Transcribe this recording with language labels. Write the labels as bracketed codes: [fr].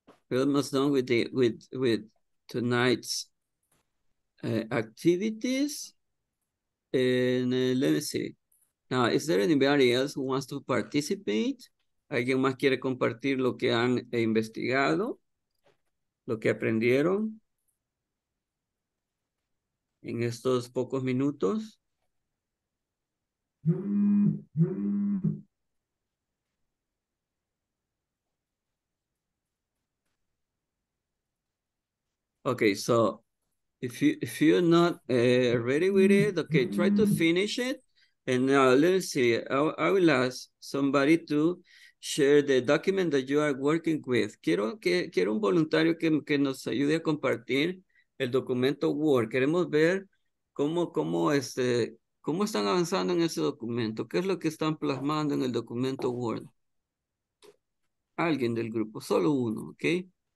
[en] We're almost done with the with tonight's activities. And let me see. Now, is there anybody else who wants to participate? [es] ¿Alguien más quiere compartir lo que han investigado? ¿Lo que aprendieron? En estos pocos minutos. [en] Okay, so if you're not ready with it, okay, try to finish it. And now let's see, I will ask somebody to share the document that you are working with. [es] Quiero un voluntario que nos ayude a compartir el documento Word. Queremos ver cómo están avanzando en ese documento. ¿Qué es lo que están plasmando en el documento Word? Alguien del grupo, solo uno, ¿ok?